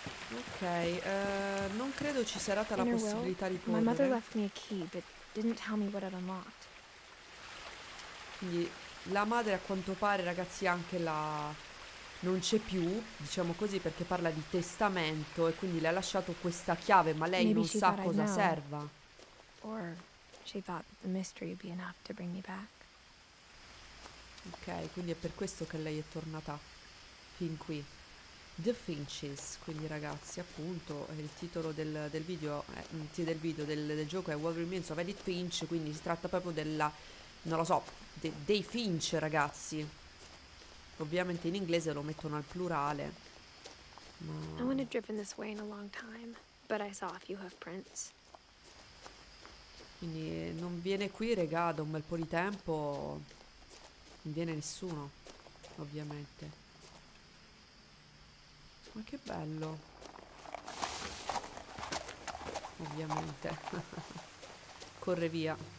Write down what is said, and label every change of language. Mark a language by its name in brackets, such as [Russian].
[Italian] Ok, non credo ci sarà la possibilità di correre. [English] My mother left me a key, but didn't tell me what it unlocked. [Italian] Quindi la madre a quanto pare, ragazzi, anche la non c'è più, diciamo così, perché parla di testamento e quindi le ha lasciato questa chiave, ma lei non sa cosa serva. [English] Or she thought that the mystery would be enough to bring me back. [Italian] Ok, quindi è per questo che lei è tornata fin qui. The Finches, quindi ragazzi, appunto, il titolo del gioco è What Remains of Edith Finch, quindi si tratta proprio della, non lo so, dei Finch, ragazzi. Ovviamente in inglese lo mettono al plurale. [English] No one had driven this way in a long time, but I saw a few hoof prints. [Italian] Quindi non viene qui, regà, da un bel po' di tempo. Non viene nessuno, ovviamente. Ma che bello. Ovviamente. Corre via.